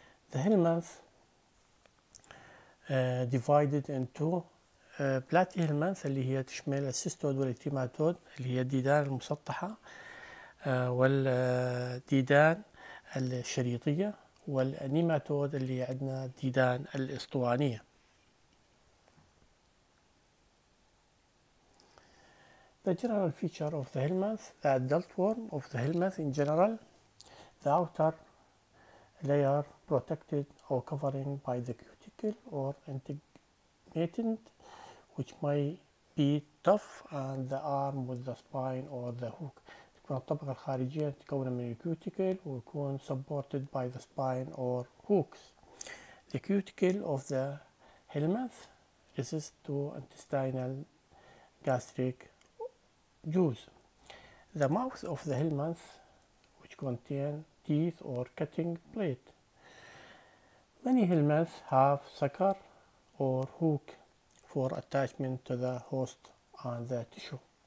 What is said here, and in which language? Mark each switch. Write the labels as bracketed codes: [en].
[en] The helminth divided into [ar] بلاتي هيلمنث اللي هي تشمل السيستود والاكتيماتود اللي هي الديدان المسطحة والديدان الشريطية، والنيماتود اللي عندنا الديدان الاسطوانية. [en] The general feature of the helminth, the adult worm of the helminth in general, the outer layer protected or covering by the cuticle or integument, which may be tough, and the arm with the spine or the hook. [ar] تكون الطبقة الخارجية تكون من الكيوتيكل ويكون [en] supported by the spine or hooks. The cuticle of the helminth resists to intestinal gastric juice. The mouth of the helminth, which contain teeth or cutting plate. Many helminths have sucker or hook for attachment to the host and the tissue.